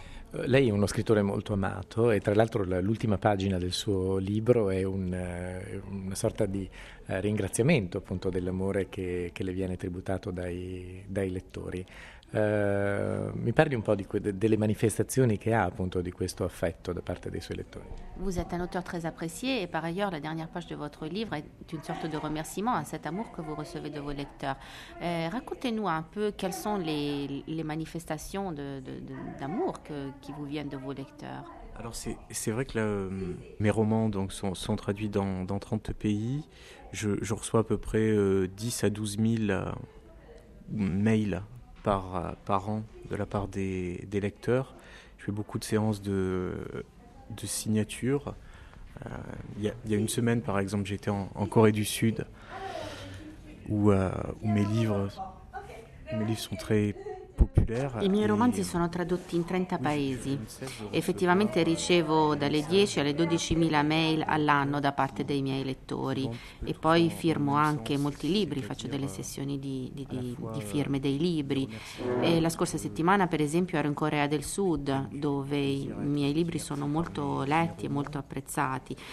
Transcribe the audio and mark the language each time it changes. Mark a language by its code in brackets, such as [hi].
[it] Lei è uno scrittore molto amato e tra l'altro l'ultima pagina del suo libro è una sorta di ringraziamento appunto dell'amore che le viene tributato dai lettori. Mi parli un po' delle manifestazioni che ha appunto di questo affetto da parte dei suoi lettori. [fr] Vous êtes un auteur très apprécié et par ailleurs la dernière page de votre livre est une sorte de remerciement à cet amour que vous recevez de vos lecteurs. Racontez-nous un peu quelles sont les manifestations d'amour qui vous viennent de vos lecteurs. Alors c'est vrai que mes romans donc sont traduits dans 30 pays. Je reçois à peu près 10 à 12 000 mails par an de la part des lecteurs. Je fais beaucoup de séances de signatures. Il y a une semaine, par exemple, j'étais en Corée du Sud où mes livres sont très populaires. [it] I miei romanzi sono tradotti in 30 paesi. Effettivamente ricevo dalle 10 alle 12.000 mail all'anno da parte dei miei lettori e poi firmo anche molti libri, faccio delle sessioni di firme dei libri. E la scorsa settimana, per esempio, ero in Corea del Sud, dove i miei libri sono molto letti e molto apprezzati.